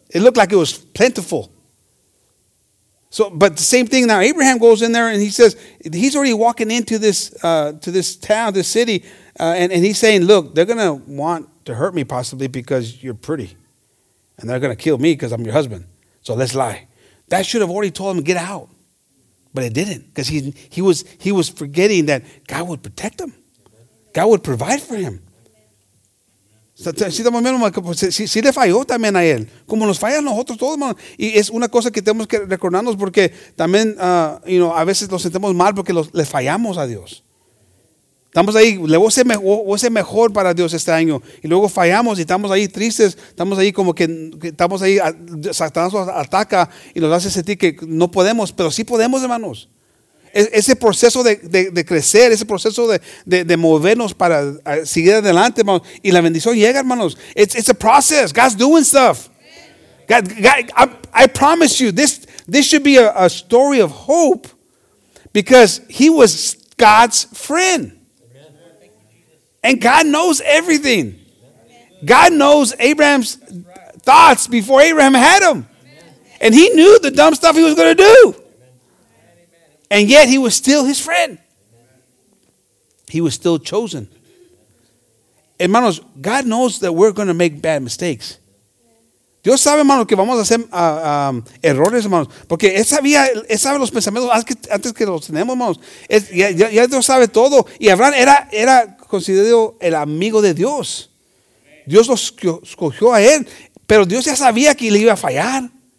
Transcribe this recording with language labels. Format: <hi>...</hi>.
<en>It looked like it was plentiful. So, but the same thing now, Abraham goes in there and he says, he's already walking into this to this town, this city, and he's saying, look, they're going to want to hurt me possibly because you're pretty. And they're going to kill me because I'm your husband. So let's lie. That should have already told him to get out. But it didn't, because he was forgetting that God would protect him. God would provide for him.</en> <es>Si le falló también a él, como nos fallan nosotros todos, hermano. Y es una cosa que tenemos que recordarnos, porque también you know, a veces nos sentimos mal porque le fallamos a Dios. Estamos ahí, le voy a ser mejor para Dios este año, y luego fallamos y estamos ahí tristes, estamos ahí como que estamos ahí, Satanás nos ataca y nos hace sentir que no podemos, pero sí podemos, hermanos. Ese proceso de crecer, ese proceso de movernos para seguir adelante, hermanos. Y la bendición llega, hermanos.</es> <en>It's a process. God's doing stuff. God, I promise you, this should be a story of hope, because he was God's friend. And God knows everything. God knows Abraham's thoughts before Abraham had them. And he knew the dumb stuff he was going to do. And yet he was still his friend. He was still chosen. Hermanos, God knows that we're going to make bad mistakes.</en> <es>Dios sabe, hermanos, que vamos a hacer errores, hermanos. Porque él sabe los pensamientos antes que los tenemos, hermanos. Ya Dios sabe todo. Y Abraham era considerado el amigo de Dios. Dios lo escogió a él. Pero Dios ya sabía que le iba a fallar.</es>